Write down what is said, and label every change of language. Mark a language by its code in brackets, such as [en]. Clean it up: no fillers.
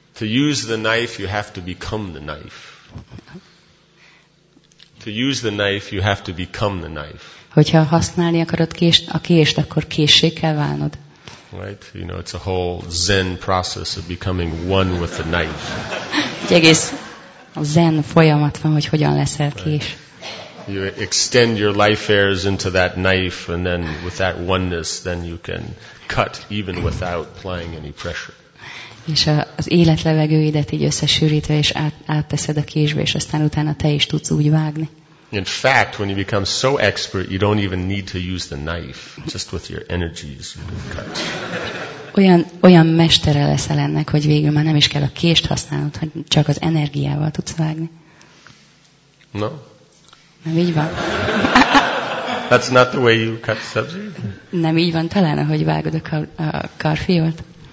[en] To use the knife, you have to become the knife. To use the knife, you have to become the knife. [hu] Hogyha használni akarod kést, a kést, akkor késé kell válnod. [en] Right? You know, it's a whole Zen process of becoming one with the knife. [hu] Egy egész Zen folyamat van, hogy hogyan leszel kés. [en] You extend your life airs into that knife, and then with that oneness, then you can cut even without applying any pressure. [hu] És az élet levegőidet így összesűrítve és átteszed a késbe, és aztán utána te is tudsz úgy vágni. [en] In fact, when you become so expert, you don't even need to use the knife. Just with your energies, you can cut. [hu] Olyan mestere leszel ennek, hogy végül már nem is kell a kést használnod, hogy csak az energiával tudsz vágni. [en] No. [hu] Nem így van. [en] That's not the way you cut sabzi. [hu] Nem így van talán, ahogy vágod a karfiolt.